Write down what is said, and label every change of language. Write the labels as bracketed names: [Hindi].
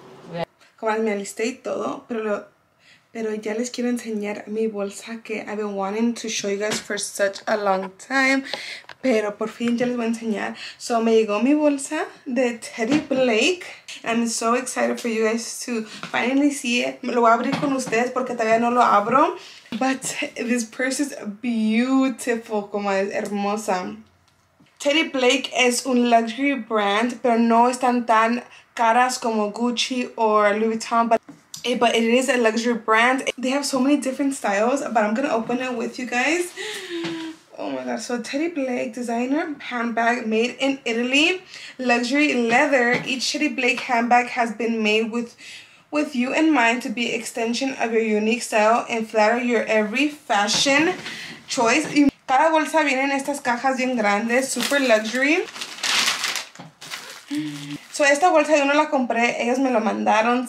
[Spanish] Voy a la escuela. Me alisté y todo, pero ya les quiero enseñar mi bolsa que [English] I've been wanting to show you guys for such a long time. [Spanish] Pero por fin ya les voy a enseñar. So me llegó mi bolsa de Teddy Blake. [English] I'm so excited for you guys to finally see it. [Spanish] Me lo voy a abrir con ustedes porque todavía no lo abro. [English] But this purse is beautiful, [Spanish] como es hermosa. Teddy Blake es un luxury brand, pero no están tan caras como Gucci or Louis Vuitton. [English] But it is a luxury brand. They have so many different styles, but I'm gonna open it with you guys. Oh my god, so Teddy Blake designer handbag made in Italy, luxury leather. Each Teddy Blake handbag has been made with you in mind to be an extension of your unique style and flatter your every fashion choice. [Spanish] Cada bolsa viene en estas cajas bien grandes, super luxury. So esta bolsa yo no la compré, ellos me lo mandaron.